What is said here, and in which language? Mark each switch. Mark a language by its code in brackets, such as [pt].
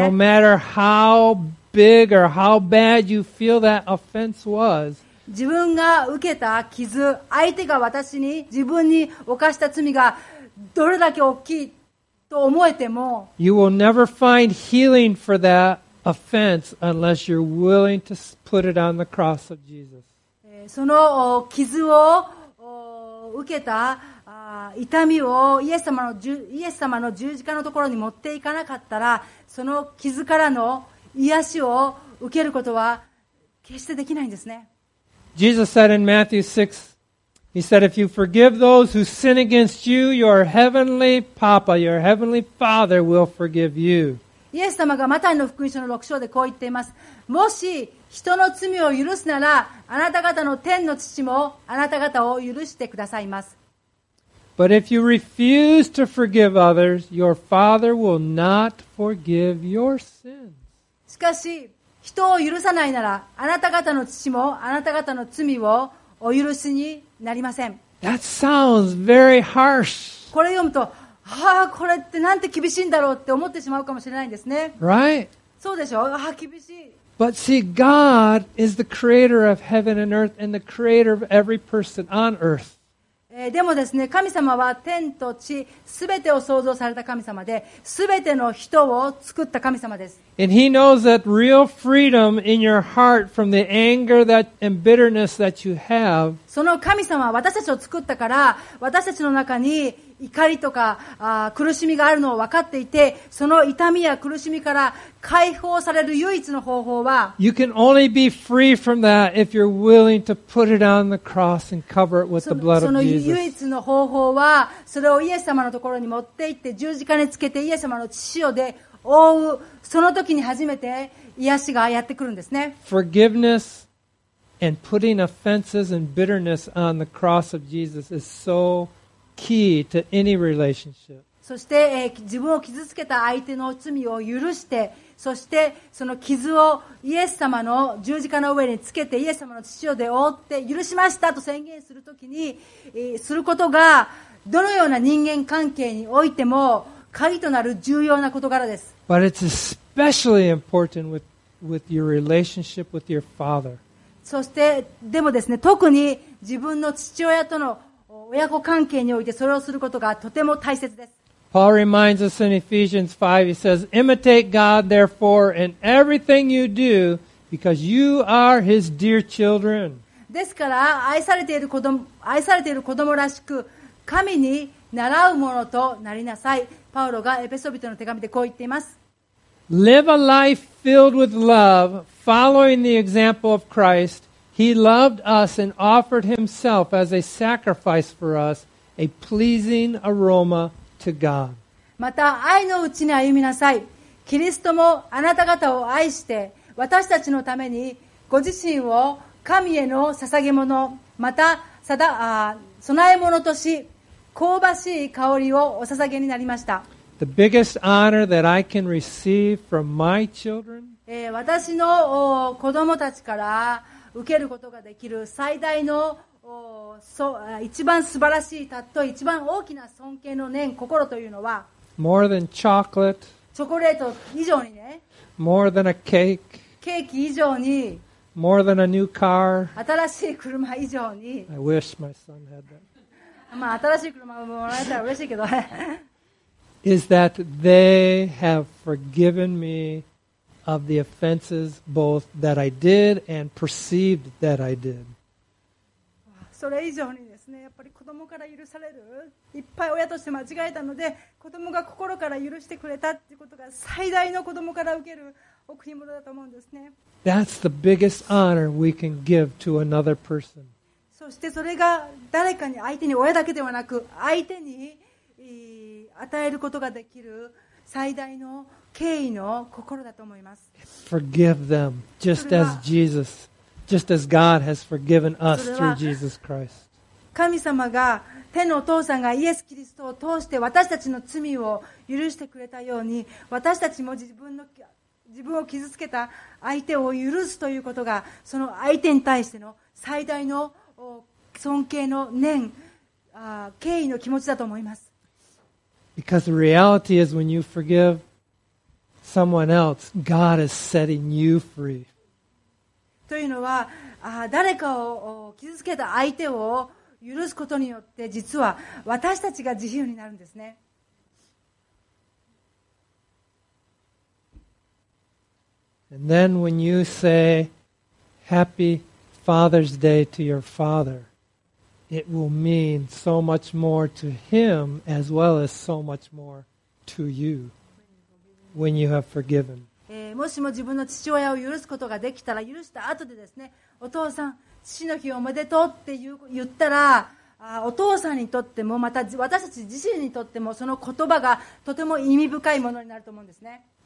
[en] No matter how big or how bad you feel that offense was, [ja] 自分が受けた傷、相手が私に自分に犯した罪がどれだけ大きいと思えても、 [en] You will never find healing for that offense unless you're willing to put it on the cross of Jesus. [ja] その傷を受けた痛みをイエス様の十字架のところに持っていかなかったら、その傷からの癒しを受けることは決してできないんですね。 [en] Jesus said in Matthew 6, He said, If you forgive those who sin against you, your heavenly Papa, your heavenly Father will forgive you. [ja] イエス様がマタイの福音書の6章でこう言っています。もし人の罪を許すなら、あなた方の天の父もあなた方を許してくださいます。 [en] But if you refuse to forgive others, your father will not forgive your sins. [ja] しかし、人を許さないなら、あなた方の父もあなた方の罪をお許しになりません。 [en] That sounds very harsh. [ja] これ読むと、はあ、これってなんて厳しいんだろうって思ってしまうかもしれないんですね。 [en] Right? [ja] そうでしょ？ああ、厳しい。 [en] But see, God is the creator of heaven and earth and the creator of every person on earth. [ja] でもですね、神様は天と地、すべてを創造された神様で、すべての人を作った神様です。 [en] And he knows that real freedom in your heart from the anger that and bitterness that you have. [ja] その神様は私たちを作ったから、私たちの中に怒りとか苦しみがあるのを分かっていて、その痛みや苦しみから解放される唯一の方法は、 [en] You can only be free from that if you're willing to put it on the cross and cover it with the blood of Jesus. [ja] その唯一の方法は、それをイエス様のところに持っていって十字架につけてイエス様の血で覆う、その時に初めて癒しがやってくるんですね。 [en] Forgiveness and putting offenses and bitterness on the cross of Jesus is soKey to any relationship. [ja] そして、自分を傷つけた相手の罪を許して、そしてその傷をイエス様の十字架の上につけて、イエス様の血で覆って許しましたと宣言するときに、することがどのような人間関係においても鍵となる重要な事柄です。 [en] But it's especially important with your relationship with your father. [ja] そしてでもですね、特に自分の父親との親子関係においてそれをすることがとても大切です。 [en] Paul reminds us in Ephesians 5, he says, Imitate God, therefore, in everything you do, because you are his dear children. [ja] ですから、愛されている子供らしく、神に習うものとなりなさい。パウロがエペソ人の手紙でこう言っています。 [en] Live a life filled with love, following the example of Christ. He loved us and offered himself as a sacrifice for us, a pleasing aroma to God. [ja] また愛のうちに歩みなさい。キリストもあなた方を愛して、私たちのためにご自身を神への捧げ物、また供え物とし、香ばしい香りをお捧げになりました。 [en] The biggest honor that I can receive from my children? [ja] 私の子供たちから受けることができる最大の一番素晴らしい例と一番大きな尊敬の念心というのは、 [en] More than chocolate, [ja] チョコレート以上にね、 [en] More than a cake, [ja] ケーキ以上に、 [en] More than a new car, [ja] 新しい車以上に、 [en] I wish my son had that. [ja] まあ新しい車もらえたら嬉しいけど、 [en] is that they have forgiven me of the offenses both that I did and perceived that I did. [ja] それ以上にですね、やっぱり子供から許される、いっぱい親として間違えたので、子供が心から許してくれたっていうことが最大の子供から受ける贈り物だと思うんですね。 [en] That's the biggest honor we can give to another person. [ja] そしてそれが誰かに、相手に、親だけではなく、相手に与えることができる最大の敬意の心だと思います。 [en] Forgive them just as Jesus, just as God has forgiven us through Jesus Christ. [ja] 神様が、天のお父さんがイエス・キリストを通して私たちの罪を許してくれたように、私たちも自分を傷つけた相手を許すということが、その相手に対しての最大の尊敬の念、敬意の気持ちだと思います。 [en] Because the reality is when you forgive someone else, God is setting you free. [ja] というのは、誰かを傷つけた相手を許すことによって、実は私たちが自由になるんですね。 [en] And then when you say Happy Father's Day to your father, it will mean so much more to him as well as so much more to you when you have forgiven. [ja] もしも自分の父親を許すことができたら、許した後でですね、お父さん、父の日おめでとうって言ったら、お父さんにとっても、また私たち自身にとっても、その言葉がとても意味深いものになると思うんですね。